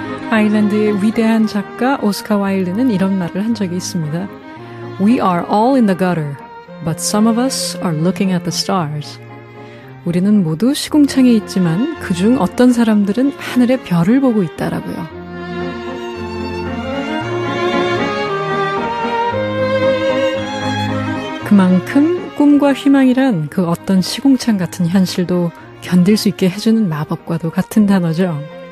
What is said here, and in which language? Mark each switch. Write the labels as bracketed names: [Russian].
[Korean] 아일랜드의 위대한 작가 오스카 와일드는 이런 말을 한 적이 있습니다. [English] We are all in the gutter, but some of us are looking at the stars. [Korean] 우리는 모두 시궁창에 있지만 그중 어떤 사람들은 하늘의 별을 보고 있다라고요. 그만큼 꿈과 희망이란 그 어떤 시궁창 같은 현실도 견딜 수 있게 해주는 마법과도 같은 단어죠.